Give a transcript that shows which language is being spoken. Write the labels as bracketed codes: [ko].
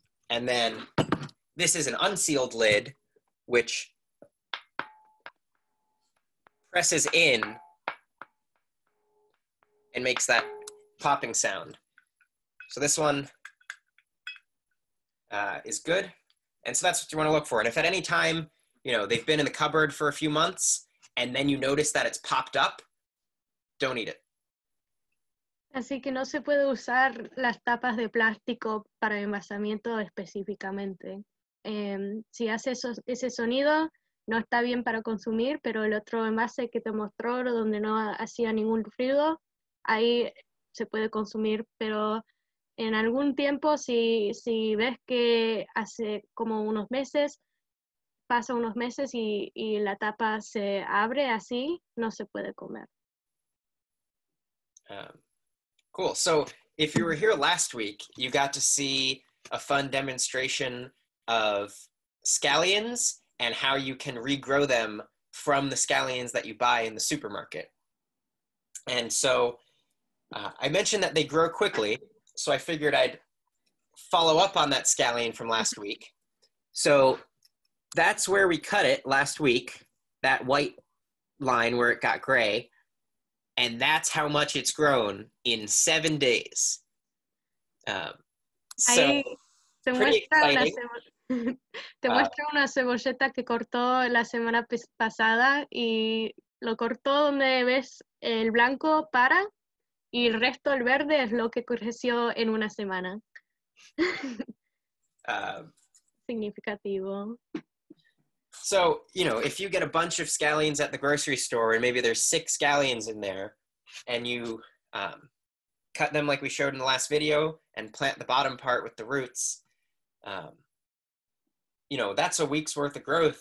[en] And then this is an unsealed lid, which presses in and makes that popping sound. So this one is good. And so that's what you want to look for. And if at any time, you know, they've been in the cupboard for a few months and then you notice that it's popped up, don't eat it. [es] Así que no se puede usar las tapas de plástico para envasamiento específicamente. Si hace ese sonido, no está bien para consumir, pero el otro envase que te mostró donde no hacía ningún ruido, ahí se puede consumir. Pero en algún tiempo, si ves que hace como unos meses, pasa unos meses y la tapa se abre así, no se puede comer. [en] Cool. So if you were here last week, you got to see a fun demonstration of scallions and how you can regrow them from the scallions that you buy in the supermarket. And so I mentioned that they grow quickly. So I figured I'd follow up on that scallion from last week. So that's where we cut it last week, that white line where it got gray. And that's how much it's grown in 7 days. [es] Te muestra una cebolleta que cortó la semana pasada y lo cortó donde ves el blanco para y el resto, el verde, es lo que creció en una semana. Significativo. [en] So, you know, if you get a bunch of scallions at the grocery store and maybe there's six scallions in there, and you cut them like we showed in the last video and plant the bottom part with the roots, you know, that's a week's worth of growth.